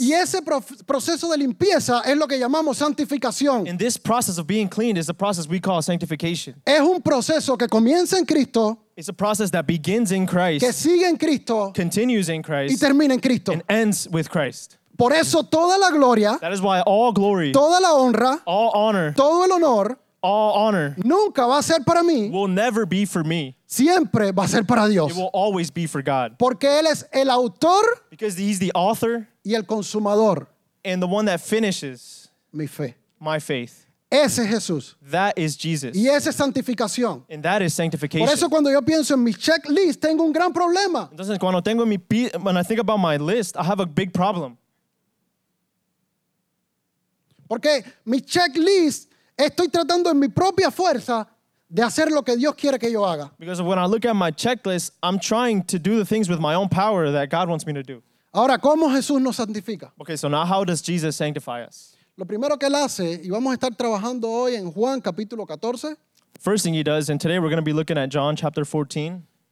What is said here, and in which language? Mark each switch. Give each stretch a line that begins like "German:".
Spanish: y ese proceso de limpieza es lo que llamamos santificación.
English: And this process of being cleaned is the process we call sanctification.
Spanish: Es un proceso que comienza en Cristo.
English: It's a process that begins in Christ,
Spanish: que sigue en Cristo,
English: continues in Christ,
Spanish: y termina en Cristo,
English: and ends with Christ.
Spanish: Por eso toda la gloria,
English: that is why all glory,
Spanish: toda la honra,
English: all honor,
Spanish: todo el honor,
English: all honor,
Spanish: nunca va a ser para mí,
English: will never be for me.
Spanish: Siempre va a ser para Dios.
English: It will always be for God.
Spanish: Porque él es el autor,
English: because he's the author,
Spanish: y el consumador,
English: and the one that finishes
Spanish: mi fe.
English: My faith.
Spanish: Ese es Jesús.
English: That is Jesus.
Spanish: Y esa es santificación.
English: And that is sanctification.
Spanish: Por eso cuando yo pienso en mi checklist, tengo un gran problema. Entonces, cuando tengo
English: when I think about my list, I have a big problem.
Spanish: Porque mi checklist, estoy tratando en mi propia fuerza de hacer lo que Dios quiere que yo haga.
English: Because when I look at my checklist, I'm trying to do the things with my own power that God wants me to do.
Spanish: Ahora, ¿cómo Jesús nos santifica?
English: Okay, so now how does Jesus sanctify us?
Spanish: Lo primero que él hace, y vamos a estar trabajando hoy en Juan capítulo 14.
English: First thing he does, and today we're going to be looking at John chapter 14.